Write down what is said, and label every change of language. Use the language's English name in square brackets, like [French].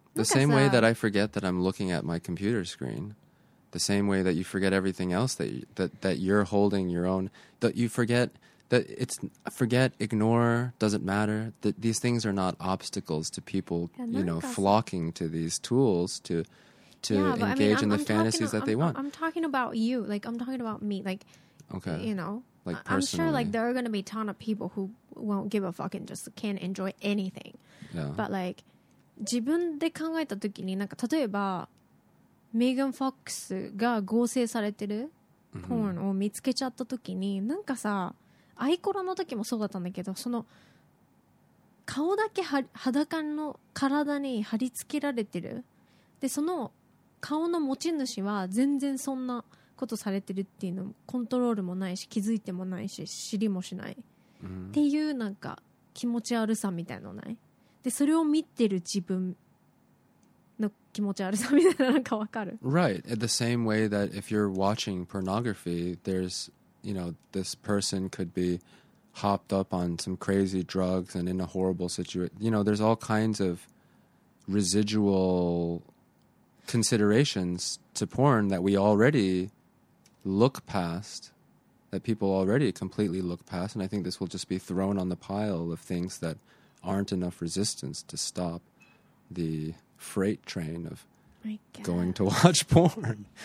[English] The same way that I forget that I'm looking at my computer screen, the same way that you forget everything else that you're holding your own, that you forget, that it's forget, ignore, doesn't matter, that these things are not obstacles to people, you know, flocking to these tools to engage in the fantasies that they want. I'm talking about you. Like, I'm talking about me. Like, okay. You know, like personally. I'm sure, like, there are going to be a ton of people who won't give a fuck and just can't enjoy anything. Yeah. But, like... [Japanese] 自分で考えたときに、なんか例えばメーガン・フォックスが合成されてるポーンを見つけちゃったときに、なんかさ、アイコラの時もそうだったんだけど、その顔だけ裸の体に貼り付けられてる、でその顔の持ち主は全然そんなことされてるっていうのもコントロールもないし、気づいてもないし、知りもしないっていう、なんか気持ち悪さみたいのない？でそれを見てる自分の気持ち悪さみたいな、なんかわかる。 [English] Right. The same way that if you're watching pornography, there's, you know, this person could be hopped up on some crazy drugs and in a horrible situation. You know, there's all kinds of residual considerations to porn that we already look past, that people already completely look past. And I think this will just be thrown on the pile of things thataren't enough resistance to stop the freight train of going to watch porn.